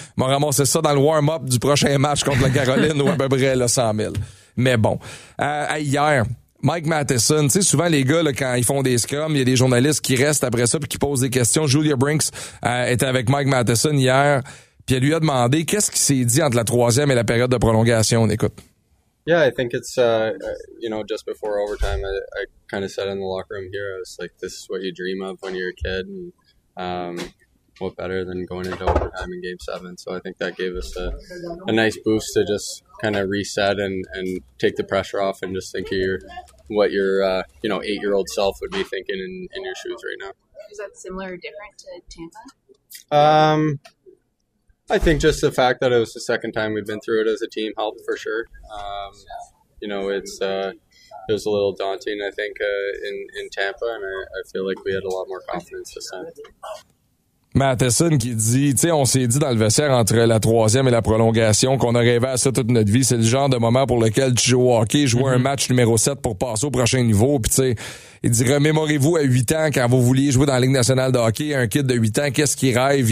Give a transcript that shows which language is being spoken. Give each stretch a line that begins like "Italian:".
French: M'en ramasser ça dans le warm-up du prochain match contre la Caroline ou à peu près là, 100 000. Mais bon. Hier, Mike Matheson, tu sais, souvent les gars, là, quand ils font des scrums, il y a des journalistes qui restent après ça puis qui posent des questions. Julia Brinks était avec Mike Matheson hier. Puis elle lui a demandé qu'est-ce qui s'est dit entre la troisième et la période de prolongation. On écoute.
English: Yeah, I think it's you know, just before overtime, I kind of said in the locker room here, I was like, this is what you dream of when you're a kid, and what better than going into overtime in game seven? So I think that gave us a nice boost to just kind of reset and take the pressure off and just think of what your 8-year-old self would be thinking in your shoes right now. Is that similar or different to Tampa? I think just the fact that it was the second time we've been through it as a team helped for sure. It was a little daunting, I think, in Tampa, and I feel like we had a lot more confidence this time.
French: Matheson qui dit, tu sais, on s'est dit dans le vestiaire entre la troisième et la prolongation qu'on a rêvé à ça toute notre vie. C'est le genre de moment pour lequel tu joues au hockey, jouer un match numéro 7 pour passer au prochain niveau. Puis tu sais, il dit, remémorez-vous à 8 ans quand vous vouliez jouer dans la Ligue nationale de hockey. Un kid de 8 ans, qu'est-ce qu'il rêve?